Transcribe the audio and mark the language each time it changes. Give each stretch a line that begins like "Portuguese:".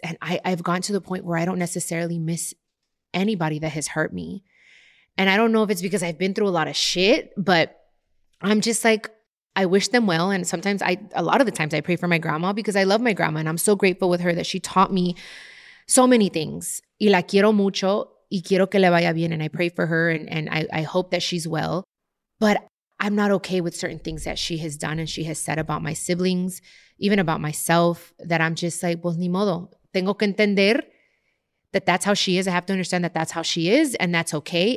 English: And I've gotten to the point where I don't necessarily miss anybody that has hurt me. And I don't know if it's because I've been through a lot of shit, but I'm just like, I wish them well. And sometimes a lot of the times I pray for my grandma because I love my grandma and I'm so grateful with her that she taught me so many things.
Spanish: Y la quiero mucho y quiero que le vaya bien.
English: And I pray for her and I hope that she's well. But I'm not okay with certain things that she has done and she has said about my siblings, even about myself, that I'm just like,
Spanish: pues ni modo. Tengo que entender
English: that that's how she is. I have to understand that that's how she is and that's okay.